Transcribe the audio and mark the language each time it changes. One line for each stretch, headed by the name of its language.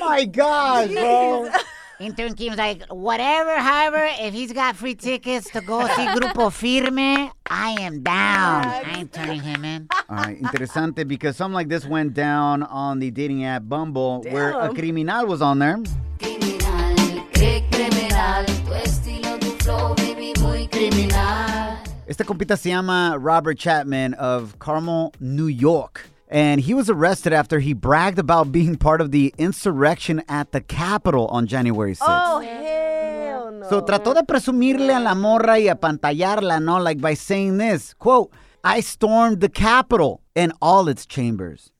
English: Oh my God, bro. Intern Kim's like, whatever, however, if he's got free tickets to go see Grupo Firme, I am down. I ain't turning him in. All right, interesante, because something like this went down on the dating app Bumble, where a criminal was on there.
Spanish: Criminal, qué criminal, tu estilo, tu flow, baby, muy criminal. Este compita se llama Robert Chapman of Carmel, New York.
English: And he was arrested after he bragged about being part of the insurrection at the Capitol on January 6th. Oh, hell no.
Spanish: So trató de presumirle a la morra y apantallarla, no?
English: Like by saying this, quote, "I stormed the Capitol and all its chambers.